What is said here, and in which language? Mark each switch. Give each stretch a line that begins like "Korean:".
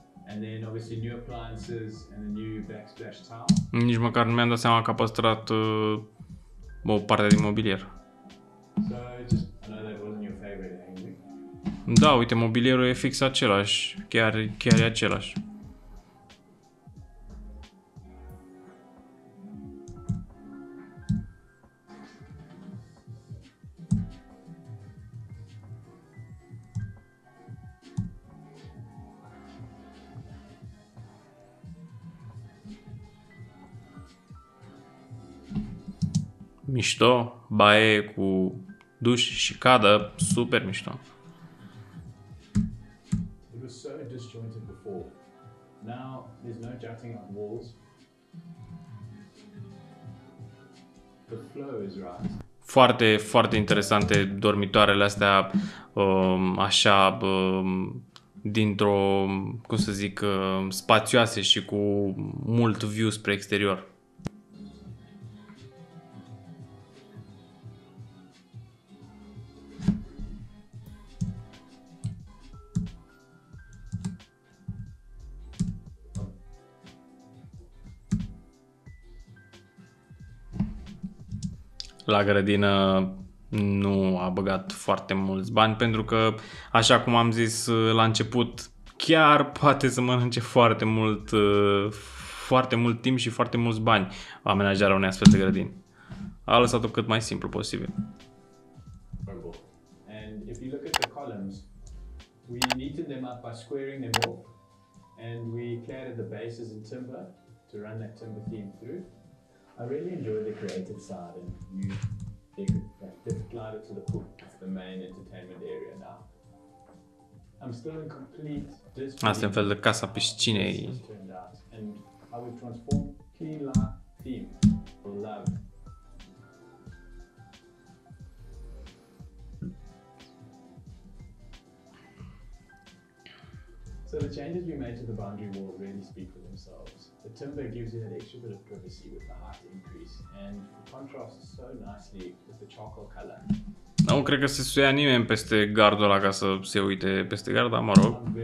English: And then obviously new appliances and a new backsplash tile.
Romanian: Nici măcar nu mi-am dat seama că a păstrat o parte din mobilier.
English: So just, I know that wasn't your favorite angle.
Romanian: Da, uite, mobilierul e fix același, chiar e același. Mișto, baie cu duș și cadă, super mișto.
English: It was so disjointed before. Now there's no jutting on walls. The flow is right.
Romanian: Foarte, foarte interesante dormitoarele astea, așa, dintr-o, cum să zic, spațioase și cu mult view spre exterior. La grădină nu a băgat foarte mulți bani pentru că, așa cum am zis la început, chiar poate să mănânce foarte mult, foarte mult timp și foarte mulți bani amenajarea unei astfel de grădini. A lăsat-o cât mai simplu posibil.
English: And if you look at the columns, we neatened them up by squaring them off and we clattered the bases in timber to run that timber theme through. I really enjoy the creative side and you just glided to the pool. It's the main entertainment area now. I'm still in complete disbelief of how this has turned out and how we've transformed clean light theme for love. So the changes we made to the boundary wall really speak for themselves. The timber gives you that extra bit of privacy with the height increase and contrasts so nicely with the charcoal color.
Romanian: Nu cred că se suia nimeni peste gardul ăla ca să se uite peste gard, dar mă rog.